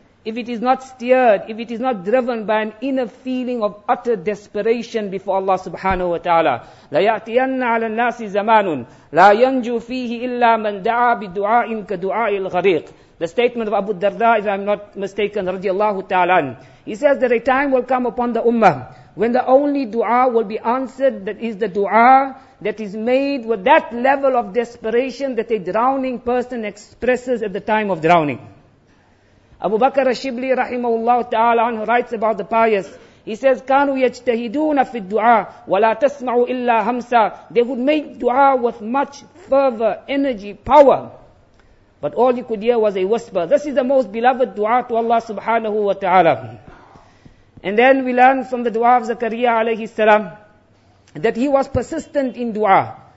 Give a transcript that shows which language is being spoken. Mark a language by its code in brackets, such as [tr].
[en] if it is not steered, if it is not driven by an inner feeling of utter desperation before Allah subhanahu wa ta'ala, [ar] لَيَأْتِيَنَّ عَلَى النَّاسِ زَمَانٌ لَا يَنْجُو فِيهِ إِلَّا مَنْ دَعَى بِدُعَاءٍ كَدُعَاءِ الْغَرِيقِ. [en] The statement of Abu Darda, if I'm not mistaken, radiallahu ta'ala, he says that a time will come upon the ummah when the only dua will be answered that is the dua that is made with that level of desperation that a drowning person expresses at the time of drowning. Abu Bakr al-Shibli rahimahullah ta'ala anhu writes about the pious. He says, [ar] كَانُوا يَجْتَهِدُونَ فِي الدُّعَى وَلَا تَسْمَعُوا إِلَّا hamsa. [en] They would make dua with much fervor, energy, power. But all he could hear was a whisper. This is the most beloved dua to Allah subhanahu wa ta'ala. And then we learn from the dua of Zakariya alayhi salam that he was persistent in dua.